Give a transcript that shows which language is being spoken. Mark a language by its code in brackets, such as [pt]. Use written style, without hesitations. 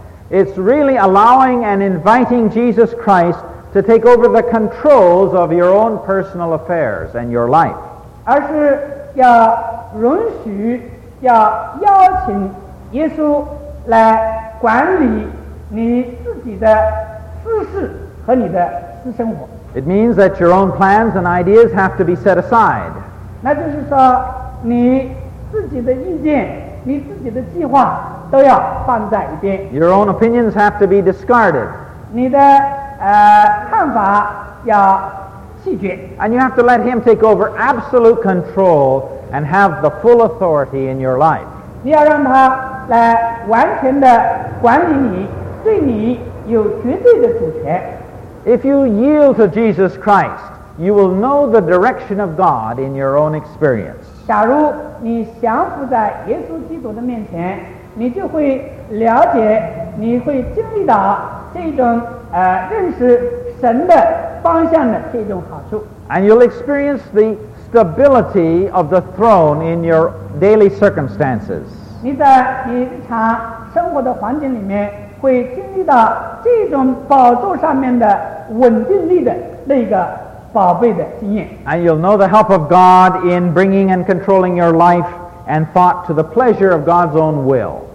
[en] It's really allowing and inviting Jesus Christ to take over the controls of your own personal affairs and your life. [zh] 而是要容许，要邀请耶稣来管理你自己的私事和你的私生活。 [en] It means that your own plans and ideas have to be set aside. [zh] 那就是说，你自己的意见，你自己的计划。都要放在一边。 [en] Your own opinions have to be discarded. [zh] 你的看法要弃绝。 [en] And you have to let him take over absolute control and have the full authority in your life. [zh] 你要让他来完全的管理你，对你有绝对的主权。 [en] If you yield to Jesus Christ, you will know the direction of God in your own experience. [zh] 假如你降服在耶稣基督的面前。你就会了解，你会经历到这种认识神的方向的这种好处。 [en] And you'll experience the stability of the throne in your daily circumstances. [zh] 你在日常生活的环境里面会经历到这种宝座上面的稳定力的那个宝贝的经验。 [en] And you'll know the help of God in bringing and controlling your life. And thought to the pleasure of God's own will.